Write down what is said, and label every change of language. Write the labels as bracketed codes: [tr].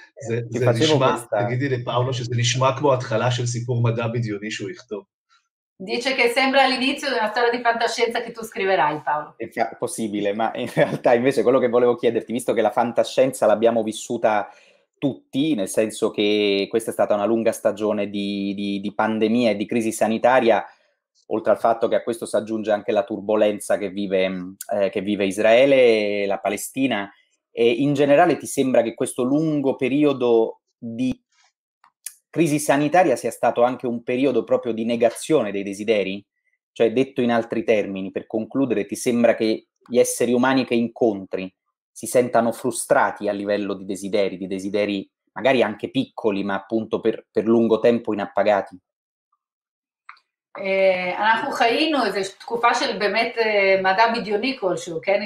[he] זה נשמע, תגידי לפאולו, שזה נשמע כמו התחלה של סיפור מדע בדיוני שהוא יכתוב. [it] Dice che sembra l'inizio di una storia di fantascienza che tu scriverai, Paolo. È possibile, ma in realtà invece quello che volevo chiederti, visto che la fantascienza l'abbiamo vissuta tutti, nel senso che questa è stata una lunga stagione di pandemia e di crisi sanitaria, oltre al fatto che a questo si aggiunge anche la turbolenza che vive Israele, la Palestina, e in generale ti sembra che questo lungo periodo di crisi sanitaria sia stato anche un periodo proprio di negazione dei desideri? Cioè, detto in altri termini, per concludere, ti sembra che gli esseri umani che incontri si sentano frustrati a livello di desideri magari anche piccoli, ma appunto per lungo tempo inappagati? [he] אנחנו חיינו איזו תקופה של באמת מדע בדיוני כלשהו, כן?